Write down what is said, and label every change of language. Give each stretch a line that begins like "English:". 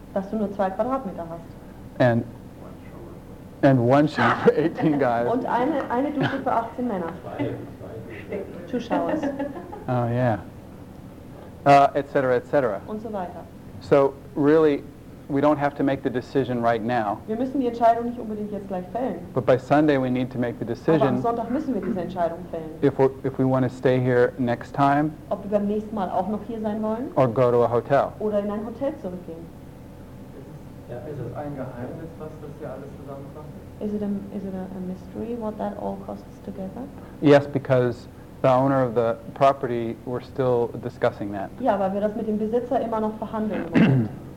German: Dass du nur 2 Quadratmeter hast.
English: And one shower for 18 guys.
German: Und eine Dusche für 18 Männer.
English: Two showers. Oh yeah. Etc. Etc.
German: Und so weiter.
English: So really, we don't have to make the decision right now.
German: Wir müssen die Entscheidung nicht unbedingt jetzt gleich fällen.
English: But by Sunday we need to make the decision.
German: Aber am Sonntag müssen wir diese Entscheidung fällen.
English: If we want to stay here next time.
German: Ob wir beim nächsten Mal auch noch hier sein wollen.
English: Or go to a hotel.
German: Oder in ein Hotel zurückgehen. Ist es ein Geheimnis, was das hier alles zusammenkommt?
English: Is it a mystery what that all costs together? Yes, because the owner of the property, we're still discussing that.
German: Ja, weil wir das mit dem Besitzer immer noch verhandeln.